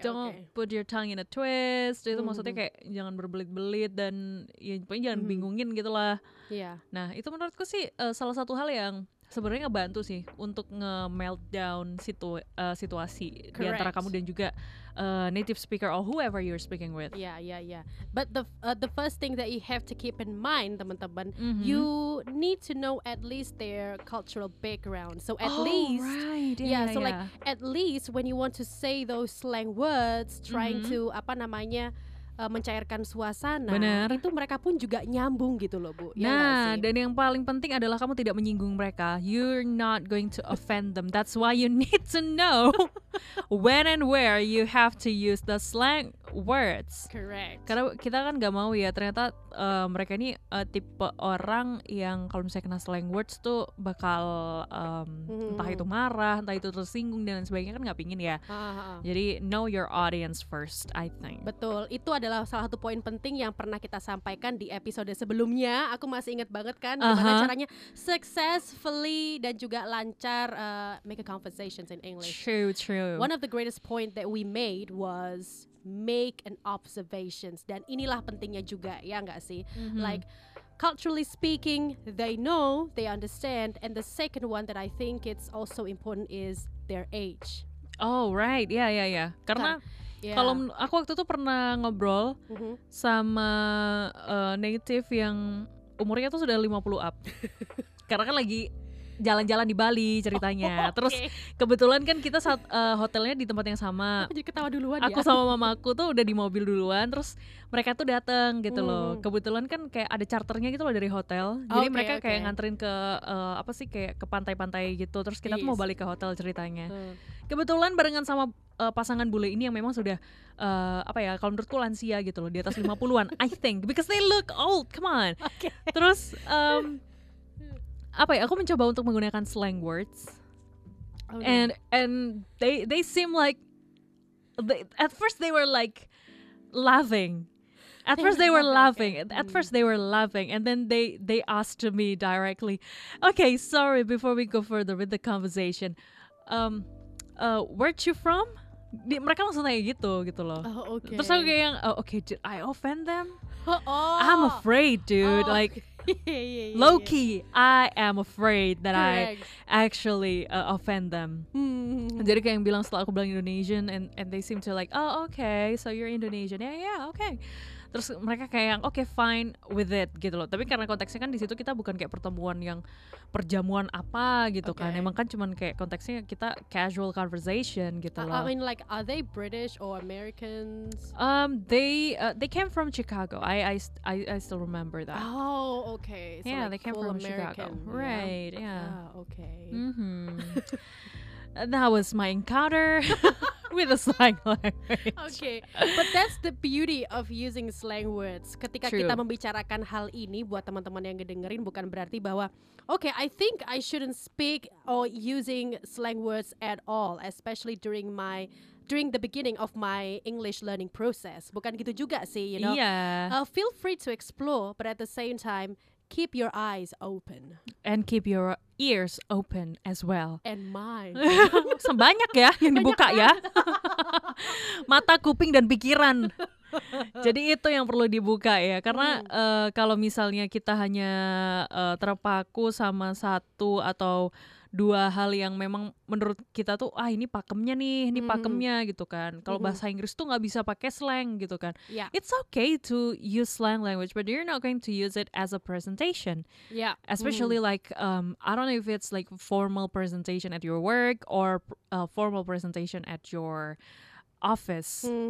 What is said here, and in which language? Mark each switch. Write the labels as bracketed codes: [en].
[en] Don't put your tongue in a twist. [id] Itu maksudnya kayak jangan berbelit-belit dan ya pokoknya jangan bingungin gitulah. Iya. Yeah. Nah, itu menurutku sih salah satu hal yang sebenarnya ngebantu sih untuk nge-meltdown situasi. [en] Correct. [id] Di antara kamu dan juga [en] native speaker or whoever you're speaking with. Yeah. But the first thing that you have to keep in mind, [id] teman-teman, [en] you need to know at least their cultural background. So at least, right. Like at least when you want to say those slang words, trying to [id] apa namanya, mencairkan suasana. Bener. Itu mereka pun juga nyambung gitu loh, Bu. Ya, nah, dan yang paling penting adalah kamu tidak menyinggung mereka. [en] You're not going to offend them. That's why you need to know when and where you have to use the slang words. Correct. [id] Karena kita kan gak mau ya, ternyata mereka ini tipe orang yang kalau misalnya kena slang words tuh bakal entah itu marah, entah itu tersinggung dan lain sebagainya, kan gak pingin ya. Jadi [en] know your audience first, I think. [id] Betul, itu adalah salah satu poin penting yang pernah kita sampaikan di episode sebelumnya. Aku masih ingat banget kan gimana caranya successfully dan juga lancar [en] make a conversations in English. True. One of the greatest point that we made was make an observations, [id] dan inilah pentingnya juga ya enggak sih. [en] Like culturally speaking, they know, they understand, and the second one that I think it's also important is their age. Oh right, yeah. [id] Karena kalau aku waktu itu pernah ngobrol sama native yang umurnya tuh sudah 50 up. Karena kan lagi jalan-jalan di Bali ceritanya. Oh, okay. Terus kebetulan kan kita saat hotelnya di tempat yang sama. Aku jadi ketawa duluan. Aku sama mamaku tuh udah di mobil duluan, terus mereka tuh datang gitu loh. Kebetulan kan kayak ada charternya gitu loh dari hotel. Jadi mereka kayak nganterin ke apa sih, kayak ke pantai-pantai gitu. Terus kita tuh mau balik ke hotel ceritanya. Kebetulan barengan sama pasangan bule ini yang memang sudah apa ya, kalau menurutku lansia gitu loh, di atas 50-an [en] I think, because they look old, come on. Okay. [id] Terus apa ya, aku mencoba untuk menggunakan slang words. Okay. [en] And they seem like at first they were laughing and then they asked me directly, okay, sorry, before we go further with the conversation, where you from? [id] Mereka langsung nanya gitu loh. Okay. Terus aku kayak yang, [en] oh, okay, did I offend them? Oh. I'm afraid, dude. Oh, like, okay. Low key, I am afraid that I actually offend them. [id] Jadi kayak yang bilang setelah aku bilang [en] Indonesian and they seem to like, oh okay, so you're Indonesian, yeah okay. [id] Terus mereka kayak yang [en] okay fine with it [id] gitu loh. Tapi karena konteksnya kan di situ kita bukan kayak pertemuan yang perjamuan apa gitu okay. kan. Emang kan cuman kayak konteksnya kita casual conversation gitu loh. [en] I mean like are they British or Americans? They came from Chicago. I still remember that. Oh, okay. So yeah, like they came from American, Chicago. Right. Yeah. Okay. Mhm. That was my encounter with a slang language. Okay, but that's the beauty of using slang words. [id] Ketika [en] True. [id] Kita membicarakan hal ini buat teman-teman yang ngedengerin, bukan berarti bahwa [en] okay, I think I shouldn't speak or using slang words at all, especially during the beginning of my English learning process. [id] Bukan gitu juga sih, [en] you know. Yeah. Feel free to explore, but at the same time, keep your eyes open. And keep your ears open as well. And mine. [id] Sebanyak ya yang dibuka ya. Mata, kuping, dan pikiran. Jadi itu yang perlu dibuka ya. Karena kalau misalnya kita hanya terpaku sama satu atau dua hal yang memang menurut kita tuh, ah ini pakemnya nih, ini pakemnya gitu kan. Kalau bahasa Inggris tuh gak bisa pakai slang gitu kan. Yeah. [en] It's okay to use slang language, but you're not going to use it as a presentation. Yeah. Especially like, I don't know if it's like formal presentation at your work or formal presentation at your office.